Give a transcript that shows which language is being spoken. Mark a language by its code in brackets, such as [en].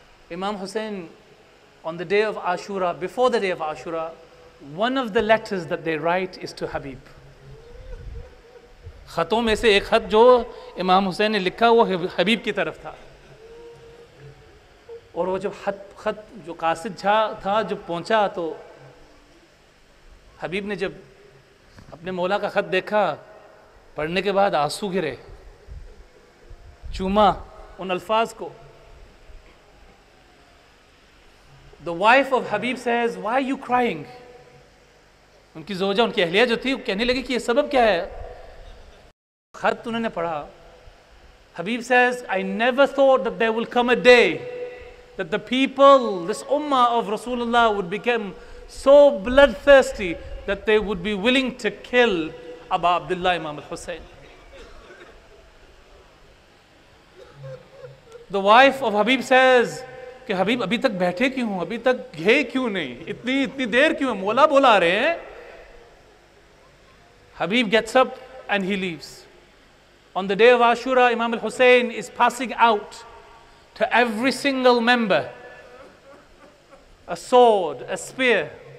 [en] Imam Hussain on the day of Ashura, before the day of Ashura, one of the letters that they write is to Habib. [ur] خطوں میں سے ایک خط جو امام حسین نے لکھا وہ حبیب کی طرف تھا, اور وہ جب خط جو قاصد تھا جب پہنچا, تو حبیب نے جب اپنے مولا کا خط دیکھا, پڑھنے کے بعد آنسو گرے, چوما ان الفاظ کو. [en] The wife of Habib says, why you crying. [ur] ان کی زوجہ, ان کی اہلیہ جو تھی, وہ کہنے لگی کہ یہ سبب کیا ہے. خط انہوں نے پڑھا, [en] Habib says, I never thought that there will come a day that the people, this ummah of Rasulullah would become so bloodthirsty that they would be willing to kill Aba Abdullah Imam al-Hussein. The wife of Habib says, [ur] کہ حبیب ابھی تک بیٹھے کیوں ہوں, ابھی تک گھے کیوں نہیں, اتنی دیر کیوں ہے, مولا بولا رہے ہیں. [en] Habib gets up and he leaves. On the day of Ashura, Imam al-Hussein is passing out to every single member a sword, a spear.